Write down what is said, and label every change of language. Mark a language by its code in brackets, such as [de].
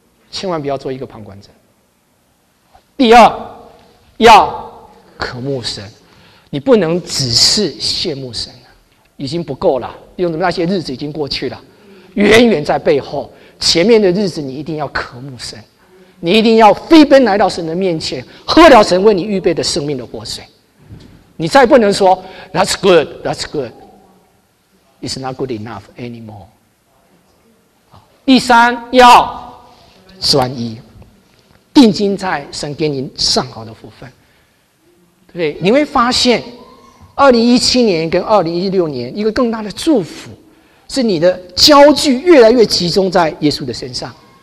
[zh] 千万不要做一个旁观者。第二，要渴慕神，你不能只是羡慕神，已经不够了。因为那些日子已经过去了，远远在背后，前面的日子你一定要渴慕神，你一定要飞奔来到神的面前，喝了神为你预备的生命的活水。你再不能说 [en] That's good, that's good, it's not good enough anymore。 [zh] 第三，要专一，定睛在神给你上好的福分。对，你会发现2017年跟2016年一个更大的祝福是你的焦距越来越集中在耶稣的身上。